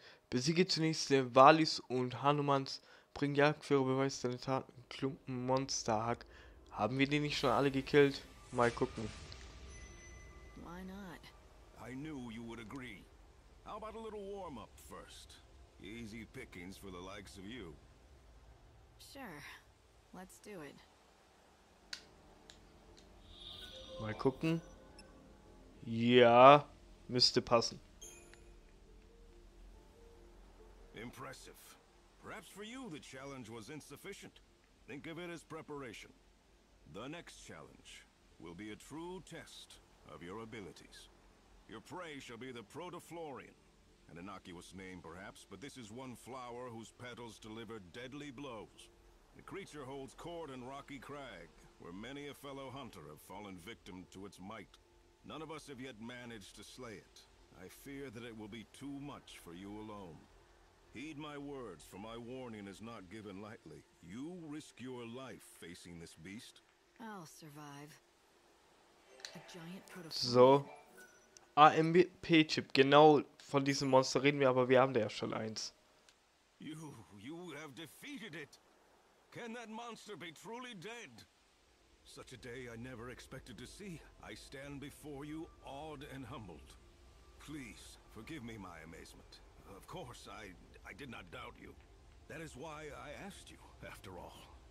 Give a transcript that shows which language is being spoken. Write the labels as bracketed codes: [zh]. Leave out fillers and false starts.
[de] Besiege zunächst den Walis und Hanumans. Bring Jagdführer Beweis deine Taten. Klumpen Monsterhack. Haben wir die nicht schon alle gekillt? Mal gucken. [en] Why not? I knew you would agree. How about a little warm-up first? Easy pickings for the likes of you. Sure. Let's do it. [de] Mal gucken. Ja, müsste passen. [en] Impressive. Perhaps for you the challenge was insufficient. Think of it as preparation. The next challenge will be a true test of your abilities. Your prey shall be the Protoflorian. An innocuous name, perhaps, but this is one flower whose petals deliver deadly blows. The creature holds court in Rocky Crag, where many a fellow hunter have fallen victim to its might. None of us have yet managed to slay it. I fear that it will be too much for you alone. Heed my words, for my warning is not given lightly. You risk your life facing this beast. I'll survive. A giant protoflorian. So. [de] AMP-Chip, genau von diesem Monster reden wir, aber wir haben da ja schon eins. [en] You have defeated it. Can that monster be truly dead? Such a day I never expected to see. I stand before you awed and humbled. Please, forgive me my amazement. Of course, I did not doubt you. That is why I asked you, after all.